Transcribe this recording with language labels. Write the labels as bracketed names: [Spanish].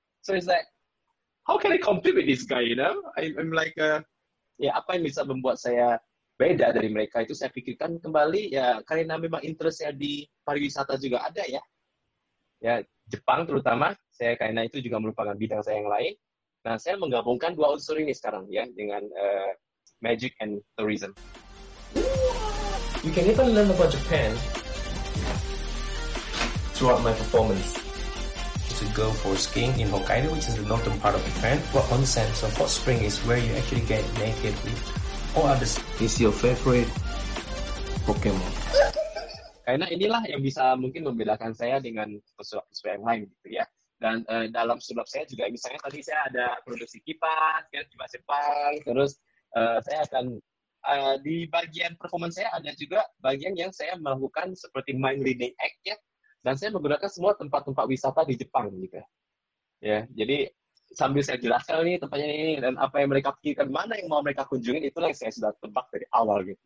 [English] So it's like, how can I compete with this guy, you know? I'm like, [Indonesian] ya apa yang bisa membuat saya beda dari mereka itu saya pikirkan kembali ya karena memang interest saya di pariwisata juga ada ya. Ya Jepang terutama, saya karena itu juga merupakan bidang saya yang lain. Nah, saya menggabungkan dua unsur ini sekarang ya dengan magic and tourism. [English] You can even learn about Japan throughout my performance. To go for skiing in Hokkaido, which is the northern part of Japan, or onsen, so hot spring is where you actually get naked with all others. Is your favorite Pokemon? [Indonesian] Karena inilah yang bisa mungkin membedakan saya dengan pesulap-pesulap yang lain, gitu ya. Dan dalam sulap saya juga, misalnya tadi saya ada produksi kipas, ya, kipas Jepang, terus saya akan di bagian performance saya ada juga bagian yang saya melakukan seperti mind reading act, ya. Dan saya menggunakan semua tempat-tempat wisata di Jepang, gitu. Ya, jadi sambil saya jelaskan ini tempatnya ini dan apa yang mereka pikirkan, mana yang mau mereka kunjungi, itulah yang saya sudah tebak dari awal, gitu.